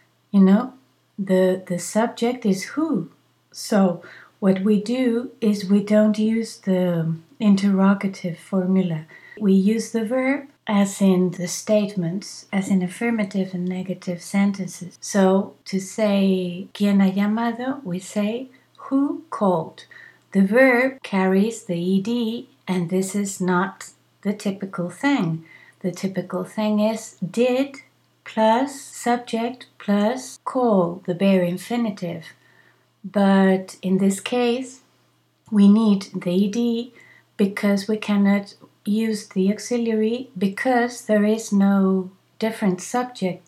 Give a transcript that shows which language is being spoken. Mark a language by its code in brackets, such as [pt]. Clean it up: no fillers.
[en] You know, the subject is who. So what we do is we don't use the interrogative formula. We use the verb as in the statements, as in affirmative and negative sentences. So to say, [es] ¿quién ha llamado? [en] We say, who called? The verb carries the ed, and this is not the typical thing. The typical thing is did plus subject plus call, the bare infinitive. But in this case, we need the ed because we cannot use the auxiliary because there is no different subject.